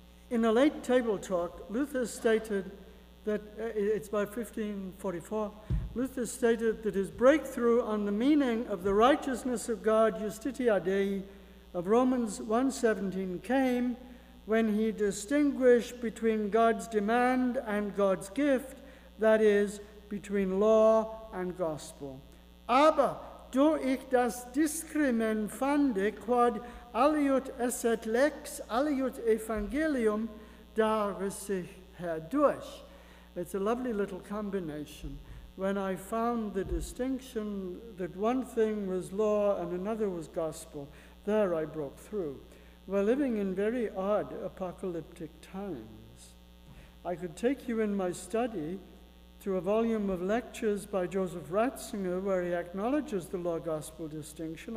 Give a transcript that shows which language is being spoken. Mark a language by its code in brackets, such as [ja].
[en] In a late table talk, Luther stated that, it's by 1544, Luther stated that his breakthrough on the meaning of the righteousness of God, Justitia Dei, of Romans 1:17 came when he distinguished between God's demand and God's gift, that is, between law and gospel. [de] Aber, do ich das discrimen fande, [la] quod aliut esset lex, aliut evangelium, [de] dare sich herdurch. [en] It's a lovely little combination. When I found the distinction that one thing was law and another was gospel, there I broke through. We're living in very odd apocalyptic times. I could take you in my study to a volume of lectures by Joseph Ratzinger where he acknowledges the law-gospel distinction.